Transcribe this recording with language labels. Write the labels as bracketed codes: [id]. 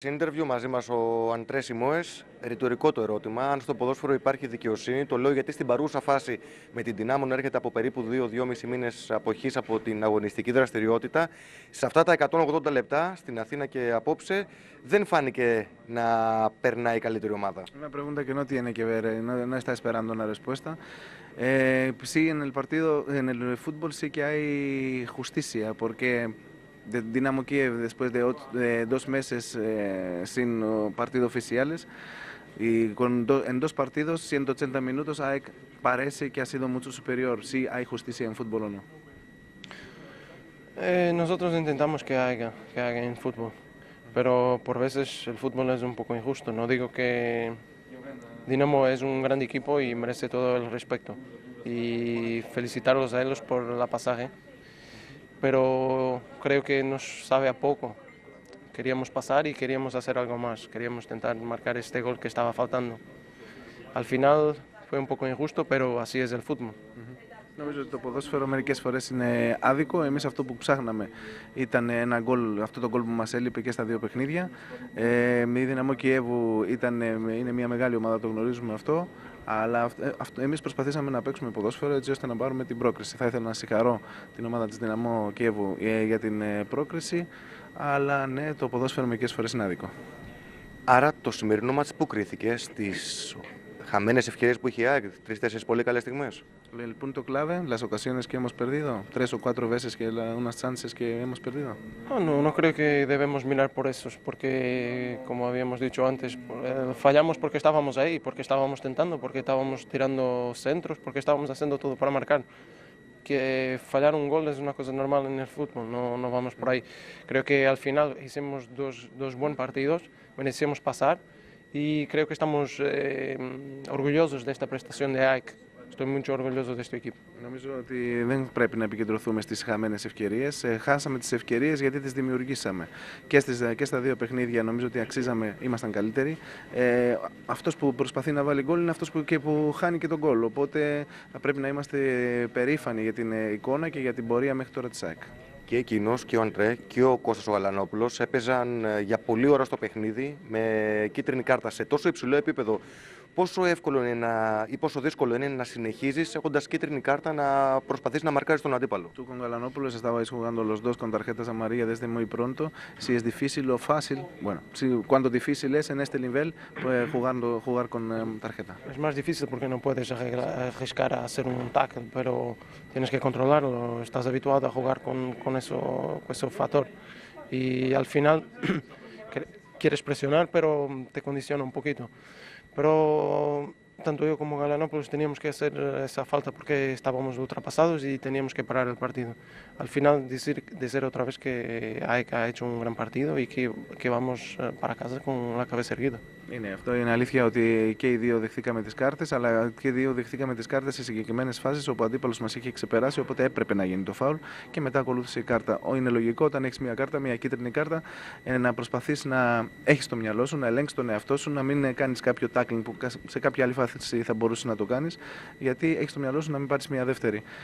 [el] Συντερβιού μαζί μας ο Αντρέ Σιμόες. Ρητορικό το ερώτημα. Αν στο ποδόσφαιρο υπάρχει δικαιοσύνη, το λέω γιατί στην παρούσα φάση με την Δυνάμο να έρχεται από περίπου 2-2,5 μήνες αποχής από την αγωνιστική δραστηριότητα. Σε αυτά τα 180 λεπτά στην Αθήνα και απόψε, δεν φάνηκε να περνάει η καλύτερη ομάδα. [es] Una pregunta que no tiene que ver, no está esperando una respuesta. Sí, en el partido, en el fútbol sí que hay justicia, porque Dinamo Kiev, después de 2 meses sin partido oficiales, y en dos partidos, 180 minutos, parece que ha sido mucho superior. Sí, hay justicia en fútbol o no. Nosotros intentamos que haya en fútbol. Pero por veces el fútbol es un poco injusto. No digo que Dinamo es un gran equipo y merece todo el respeto. Y felicitarlos a ellos por la pasaje. Pero creo que nos sabe a poco. Queríamos pasar y queríamos hacer algo más. Queríamos intentar marcar este gol que estaba faltando. Al final fue un poco injusto, pero así es el fútbol. [el] Νομίζω ότι το ποδόσφαιρο μερικές φορές είναι άδικο. Εμείς αυτό που ψάχναμε ήταν ένα γκολ, αυτό το γκολ που μας έλειπε και στα δύο παιχνίδια. Η Δυναμό Κιέβου είναι μια μεγάλη ομάδα, το γνωρίζουμε αυτό. Αλλά εμείς προσπαθήσαμε να παίξουμε ποδόσφαιρο έτσι ώστε να πάρουμε την πρόκριση. Θα ήθελα να συγχαρώ την ομάδα της Δυναμό Κιέβου για την πρόκριση. Αλλά ναι, το ποδόσφαιρο μερικές φορές είναι άδικο. Άρα το σημερινό μάτς που κρίθηκε στις χαμένες ευκαιρίες που είχε η ΑΕΚ, τρεις-τέσσερις πολύ καλές στιγμές. [es] El punto clave, las ocasiones que hemos perdido, tres o cuatro veces que unas chances que hemos perdido. No creo que debemos mirar por eso, porque como habíamos dicho antes, fallamos porque estábamos ahí, porque estábamos tentando, porque estábamos tirando centros, porque estábamos haciendo todo para marcar. Que fallar un gol es una cosa normal en el fútbol, no vamos por ahí. Creo que al final hicimos dos buenos partidos, merecíamos pasar y creo que estamos orgullosos de esta prestación de AEK. Estoy mucho orgulloso de este equipo. [el] Νομίζω ότι δεν πρέπει να επικεντρωθούμε στις χαμένες ευκαιρίες. Χάσαμε τις ευκαιρίες γιατί τις δημιουργήσαμε. Και στα δύο παιχνίδια νομίζω ότι αξίζαμε, ήμασταν καλύτεροι. Αυτός που προσπαθεί να βάλει γκολ είναι αυτός που χάνει και τον γκολ. Οπότε θα πρέπει να είμαστε περήφανοι για την εικόνα και για την πορεία μέχρι τώρα της ΑΕΚ. Και εκείνος και ο Αντρέ και ο Κώστας ο Γαλανόπουλος έπαιζαν για πολλή ώρα στο παιχνίδι με κίτρινη κάρτα σε τόσο υψηλό επίπεδο. Πόσο εύκολο είναι πόσο δύσκολο είναι να συνεχίζεις έχοντας κίτρινη κάρτα να προσπαθείς να μαρκάρεις τον αντίπαλο. [es] Tú con Galanópolos estabais jugando los dos con tarjetas amarillas desde muy pronto. Si es difícil o fácil, bueno, si, cuando difícil es en este nivel, jugar con tarjeta. Es más difícil porque no puedes arriesgar a hacer un tackle, pero tienes que controlarlo. Estás habituado a jugar con ese factor. Y al final quieres presionar, pero te condiciona un poquito. Pero tanto yo como Galanopoulos teníamos que hacer esa falta porque estábamos ultrapasados y teníamos que parar el partido. Al final decir otra vez que AEK ha hecho un gran partido y que vamos para casa con la cabeza erguida. [el] Είναι αυτό. Είναι αλήθεια ότι και οι δύο δεχθήκαμε τις κάρτες, αλλά και οι δύο δεχθήκαμε τις κάρτες σε συγκεκριμένες φάσεις όπου ο αντίπαλος μας είχε ξεπεράσει, οπότε έπρεπε να γίνει το φάουλ και μετά ακολούθησε η κάρτα. Είναι λογικό όταν έχεις μια κάρτα, μια κίτρινη κάρτα, να προσπαθείς να έχεις το μυαλό σου, να ελέγξεις τον εαυτό σου, να μην κάνεις κάποιο tackling που σε κάποια άλλη φάση θα μπορούσε να το κάνεις, γιατί έχεις το μυαλό σου να μην πάρεις μια δεύτερη.